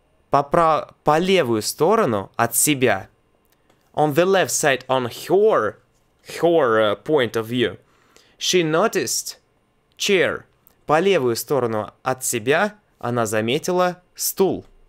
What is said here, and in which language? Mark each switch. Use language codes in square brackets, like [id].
[ru] По левую сторону от себя. [en] On the left side, on her point of view. She noticed chair. [ru] По левую сторону от себя она заметила стул.